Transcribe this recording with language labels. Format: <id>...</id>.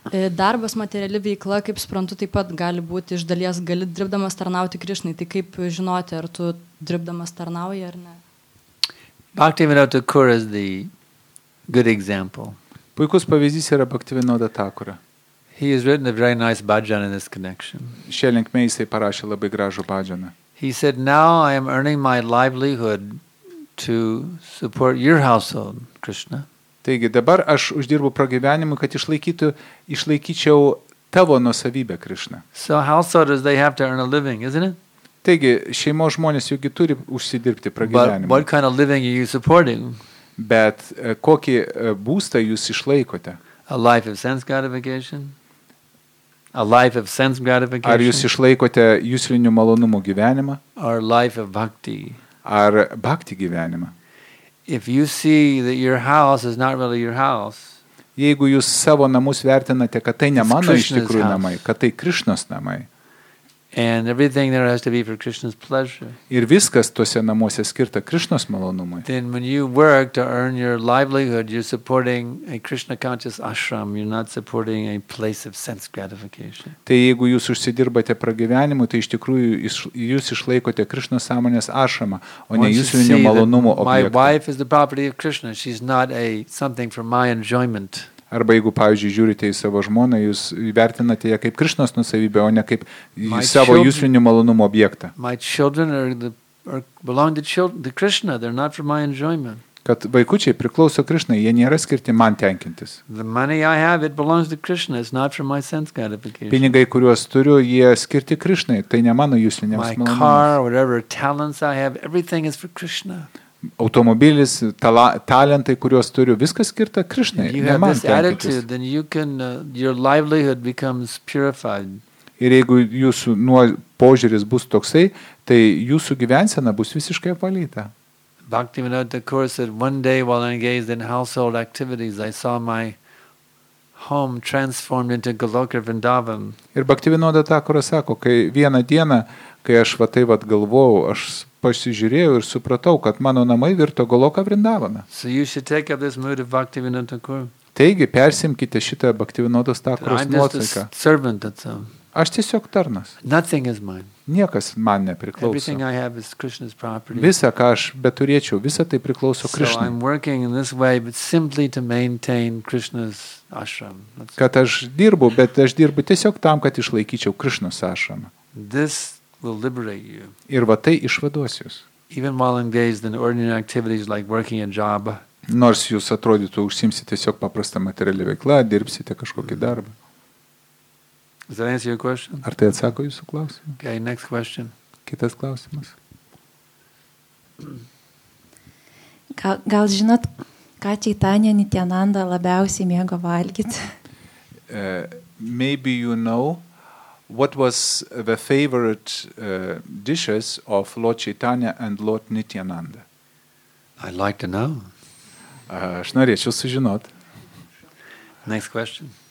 <lt>Darbas materiali veikla, kaip suprantu, taip pat gali būti iš dalies, gali dirbdamas tarnauti Krishnai. Tai kaip žinoti, ar tu dirbdamas tarnauji ar ne?</lt> <en>Bhaktivinoda Thakur is the good example.</en> <lt>Puikus pavyzdys yra Bhaktivinoda Thakura.</lt> <en>He has written a very nice bhajan in this connection.</en> <lt>Šia linkme jisai parašė labai gražų bhajaną.</lt> <en>He said, now I am earning my livelihood to support your household, Krishna.</en> <lt>Taigi, dabar aš uždirbu pragyvenimui, kad išlaikyčiau tavo nuosavybę, Krishna.</lt> <en>So householders, they have to earn a living, isn't it?</en> <lt>Taigi, šeimos žmonės jaugi turi užsidirbti pragyvenimą.</lt> <en>But what kind of living are you supporting?</en> <lt>Bet kokį būstą jūs išlaikote?</lt> <en>A life of sense gratification? A life of sense gratification.</en> <lt>Ar jūs išlaikote juslinių malonumų gyvenimą?</lt> <en>Or life of bhakti.</en> <lt>Ar bhakti gyvenimą?</lt> <en>If you see that your house is not really your house.</en> <lt>Jeigu jūs savo namus vertinate, kad tai ne mano iš tikrųjų namai, kad tai Krišnos namai.</lt> <en>And everything there has to be for Krishna's pleasure.</en> <lt>Ir viskas tuose namuose skirta Krišnos malonumui.</lt> <en>Then when you work to earn your livelihood, you're supporting a Krishna conscious ashram. You're not supporting a place of sense gratification.</en> <lt>Tai jeigu jūs užsidirbate pragyvenimui, tai iš tikrųjų jūs išlaikote Krišnos sąmonės ašramą, o ne jūsų malonumo objektą.</lt> <en>My wife is the property of Krishna. She's not a something for my enjoyment.</en> <lt>Arba jeigu, pavyzdžiui, žiūrite į savo žmoną, jūs vertinate ją kaip Krišnos nusavybę, o ne kaip savo juslinių malonumų objektą. Kad vaikučiai priklauso Krišnai, jie nėra skirti man tenkintis. Pinigai, kuriuos turiu, jie skirti Krišnai, tai ne mano juslinėms malonumams. Automobilis, talentai, kuriuos turiu, viskas skirta Krišnai, ne man tenkintis. Ir jeigu jūsų požiūris bus toksai, tai jūsų gyvensena bus visiškai apvalyta.</lt> <en>Bhaktivinoda Thakur said, one day while engaged in household activities, I saw my home transformed into Goloka Vrindavan.</en> <lt>Ir Bhaktivinoda Thakur sako, kai vieną dieną, kai aš va tai vat galvojau, aš pasižiūrėjau ir supratau, kad mano namai virto Goloka Vrindavana.</lt> <en>So you should take up this mood of Bhaktivinoda Thakur.</en> <lt>Taigi, persimkite šitą Bhaktivinoda Thakur nuotaiką. Aš tiesiog tarnas.</lt> <en>Nothing is mine.</en> <lt>Niekas man nepriklauso.</lt> <en>Everything I have is Krishna's property.</en> <lt>Visa, ką aš beturėčiau, visa tai priklauso Krishnai.</lt> <en>So I'm working in this way, but simply to maintain Krishna's ashram.</en> <lt>Kad aš dirbu, bet aš dirbu tiesiog tam, kad išlaikyčiau Krishnos ašramą.</lt> <en>This will liberate you.</en> <lt>Ir va tai išvaduos jūs.</lt> <en>Even while engaged in ordinary activities like working a job.</en> <lt>Nors jūs atrodytų užsiimsite tiesiog paprastą materialią veiklą, dirbsite kažkokį darbą.</lt> <en>Does that answer your question?</en> <lt>Ar tai atsako jūsų klausimą?</lt> <en>Okay, next question.</en> <lt>Kitas klausimas. Gal žinot, ką Čaitanya Nityananda labiausiai mėgo valgyti?</lt> <en>Maybe you know what was the favorite dishes of Lord Chaitanya and Lord Nityananda. I'd like to know.</en> <lt>Aš norėčiau sužinot.</lt> <en>Next question.</en>